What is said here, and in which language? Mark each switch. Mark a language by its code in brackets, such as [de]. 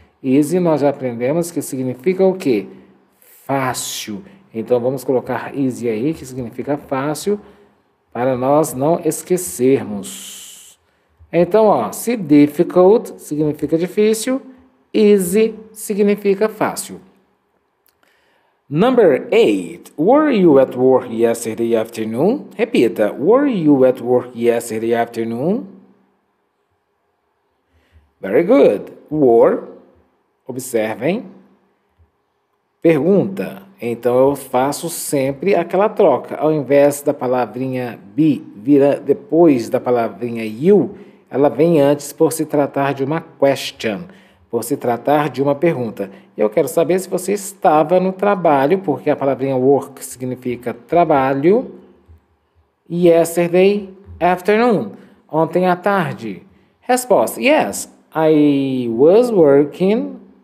[pt] Easy, nós já aprendemos que significa o quê? Fácil. Então, vamos colocar easy aí, que significa fácil, para nós não esquecermos. Então, se difficult significa difícil, easy significa fácil. [en] Number 8. Were you at work yesterday afternoon? [pt] Repita. [en] Were you at work yesterday afternoon? Very good. Were. [pt] Observem. Pergunta. Então, eu faço sempre aquela troca. Ao invés da palavrinha be vira depois da palavrinha you, ela vem antes por se tratar de uma question, por se tratar de uma pergunta. Eu quero saber se você estava no trabalho, porque a palavrinha work significa trabalho. [en] Yesterday afternoon, [pt] ontem à tarde. Resposta, [en] yes, I was working.